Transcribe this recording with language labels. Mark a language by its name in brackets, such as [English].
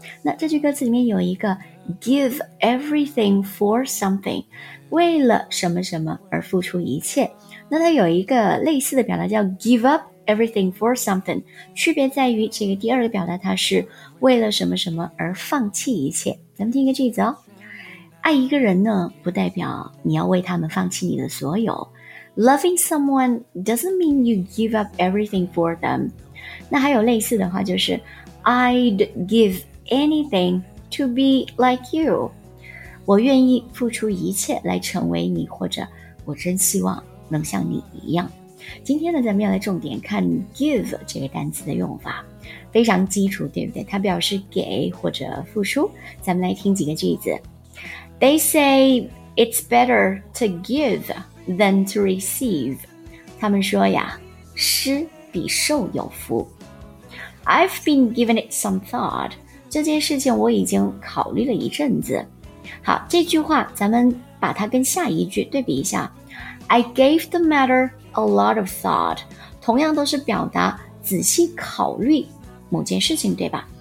[Chinese] 那这句歌词里面有一个 [English] give everything for something， [Chinese] 为了什么什么而付出一切，那它有一个类似的表达叫 [English] give upEverything for something， [Chinese] 区别在于这个第二个表达它是为了什么什么而放弃一切。咱们听一个句子哦，爱一个人呢，不代表你要为他们放弃你的所有。 [English] Loving someone doesn't mean you give up everything for them。 [Chinese] 那还有类似的话就是 [English] I'd give anything to be like you。 [Chinese] 我愿意付出一切来成为你，或者我真希望能像你一样。今天呢，咱们要来重点看 give 这个单词的用法，非常基础，对不对？它表示给或者付出。咱们来听几个句子。 [English] They say it's better to give than to receive， [Chinese] 他们说呀，施比受有福。 [English] I've been giving it some thought， [Chinese] 这件事情我已经考虑了一阵子。好，这句话咱们把它跟下一句对比一下。 [English] I gave the matterA lot of thought， [Chinese] 同样都是表达仔细考虑某件事情，对吧？